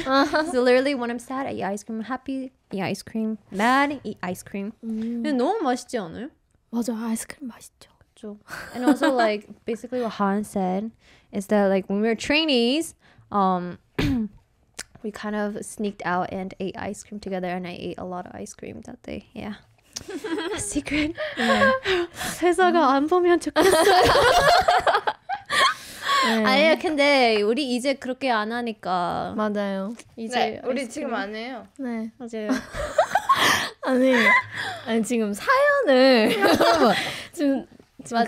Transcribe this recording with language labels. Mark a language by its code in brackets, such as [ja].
[en] So literally when I'm sad, I eat ice cream. Happy, eat ice cream. Mad, eat ice cream. [ko] 근데 너무 맛있지 않아요? 맞아, 아이스크림 맛있죠. 그렇죠. [en] And also like basically what Han said is that like when we were trainees, we kind of sneaked out and ate ice cream together, and I ate a lot of ice cream that day. Yeah. Secret. [ko] 회사가 안 보면 좋겠어요. 아니요, 근데 우리 이제 그렇게 안 하니까. 맞아요. 이제 네, 우리 지금 안 해요. 네, 맞아요. 아니 지금 사연을 지금 맞아요.